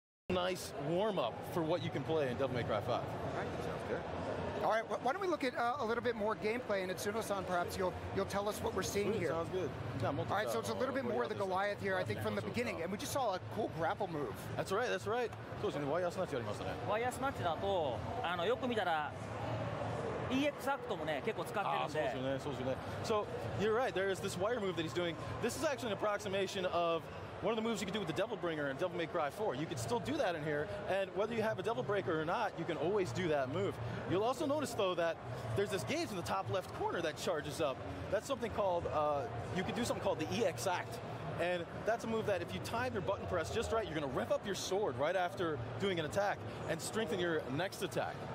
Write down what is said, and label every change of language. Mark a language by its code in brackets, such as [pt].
[en] Nice warm-up for what you can play in Devil May Cry 5. All right, sounds good. All right, why don't we look at a little bit more gameplay, and Itsuno-san, perhaps you'll tell us what we're seeing here. Sounds good. All right, so it's a little bit more of the Goliath here, I think, from the beginning, and we just saw a cool grapple move. That's right, that's right. [ja] そうですね、ワイヤースマッチやりましたね。ワイヤースマッチだと、あの、よく見たら、EX アクトもね、結構使ってるんで。あ、そうですよね、そうですよね。 [en] So, you're right, there is this wire move that he's doing. This is actually an approximation of one of the moves you can do with the Devil Bringer in Devil May Cry 4. You can still do that in here, and whether you have a Devil Breaker or not, you can always do that move. You'll also notice, though, that there's this gauge in the top left corner that charges up. That's something called, you can do something called the EX Act. And that's a move that if you time your button press just right, you're going to rev up your sword right after doing an attack and strengthen your next attack.